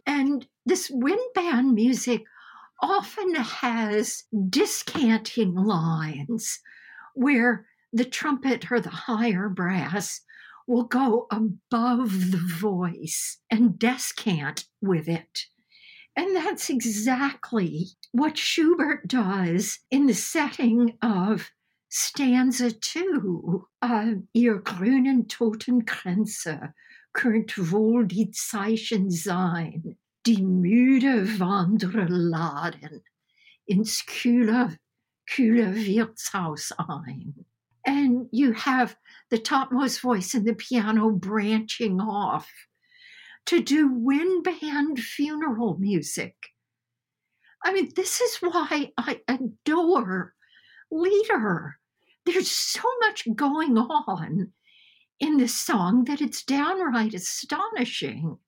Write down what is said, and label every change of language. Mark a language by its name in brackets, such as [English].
[English] And this wind band music often has discanting lines where the trumpet or the higher brass will go above the voice and descant with it. And that's exactly what Schubert does in the setting of stanza 2, [German] Ihr grünen Totenkränze könnt wohl die Zeichen sein, die müde Wanderer laden ins kühle Wirtshaus ein. [English] And you have the topmost voice in the piano branching off to do wind band funeral music. I mean, this is why I adore Lieder. There's so much going on in this song that it's downright astonishing.